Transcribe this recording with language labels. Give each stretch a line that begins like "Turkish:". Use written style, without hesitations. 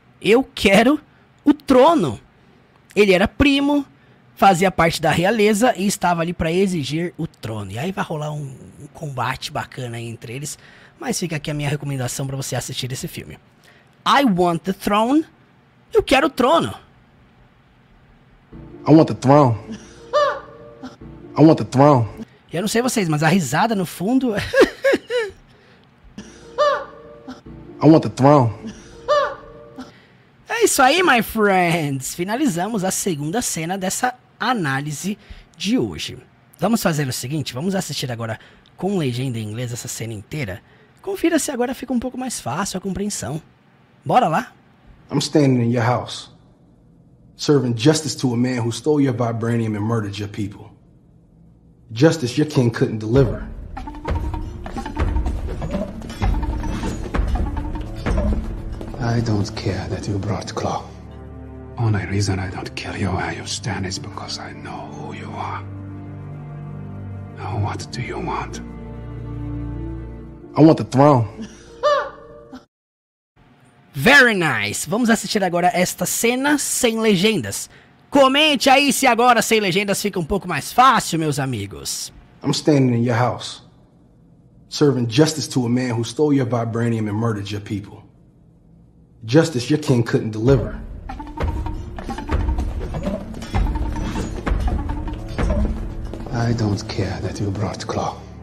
Portuguese: Eu quero o trono. Ele era primo, fazia parte da realeza e estava ali para exigir o trono. E aí vai rolar um combate bacana entre eles, mas fica aqui a minha recomendação para você assistir esse filme.
English: I want the throne.
Portuguese: Eu quero o trono.
English: I want the throne. I want the throne.
Portuguese: Eu não sei vocês, mas a risada no fundo...
English: I want the throne.
Portuguese: É isso aí,
English: my friends.
Portuguese: Finalizamos a segunda cena dessa análise de hoje. Vamos fazer o seguinte, vamos assistir agora com legenda em inglês essa cena inteira. Confira se agora fica um pouco mais fácil a compreensão. Bora lá?
English: I'm standing in your house, serving justice to a man who stole your vibranium and murdered your people. Justice your king couldn't deliver. I don't care that you brought Claw. Only reason I don't kill you where you stand is because I know who you are. Now what do you want? I want the throne. Very nice.
Portuguese: Vamos assistir agora esta cena sem legendas. Comente aí se agora sem legendas fica um pouco mais fácil, meus amigos.
English: I'm standing in your house, serving justice to a man who stole your vibranium and murdered your people. Justice your king couldn't deliver. I don't care that you brought Claw.